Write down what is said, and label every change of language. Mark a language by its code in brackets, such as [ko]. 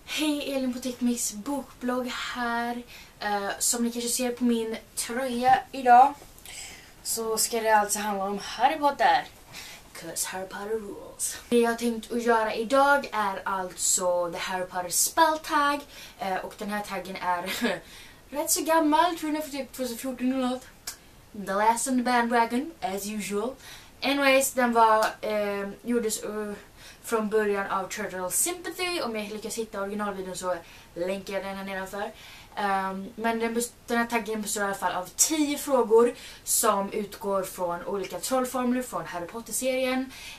[sv] Hej Elin på Tekniks bokblogg här. Som ni kanske ser på min tröja idag så ska det alltså handla om Harry Potter. [en] 'Cause Harry Potter rules. [sv] Det jag tänkt att göra idag är alltså The Harry Potter spell tag. Och den här taggen är rätt så gammal, tror jag, för typ 2014 eller något. [en] The last on the bandwagon, as usual. [sv] Anyways, den var gjordes från början av Turtle Sympathy. Om jag lyckas hitta originalvideon så länkar jag den här nedanför. Men den här taggen består i alla fall av 10 frågor som utgår från olika trollformler från Harry Potter-serien.